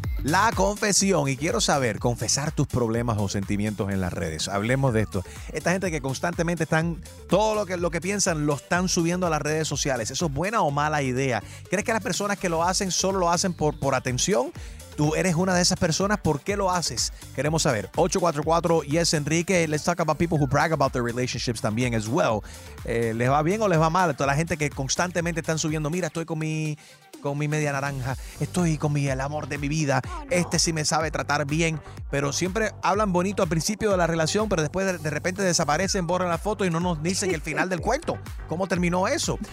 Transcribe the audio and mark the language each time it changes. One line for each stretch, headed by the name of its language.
Spanish: La confesión, y quiero saber, confesar tus problemas o sentimientos en las redes. Hablemos de esto. Esta gente que constantemente están, todo lo que piensan lo están subiendo a las redes sociales. ¿Eso es buena o mala idea? ¿Crees que las personas que lo hacen solo lo hacen por atención? ¿Tú eres una de esas personas? ¿Por qué lo haces? Queremos saber. 844-YES-ENRIQUE.
English: Let's talk about people who brag about their relationships
Spanish: también
English: as well.
Spanish: ¿Les va bien o les va mal? Toda la gente que constantemente están subiendo, mira, estoy con mi media naranja, estoy con el amor de mi vida, este sí me sabe tratar bien, pero siempre hablan bonito al principio de la relación, pero después de repente desaparecen, borran la foto y no nos dicen el final del cuento. ¿Cómo terminó eso?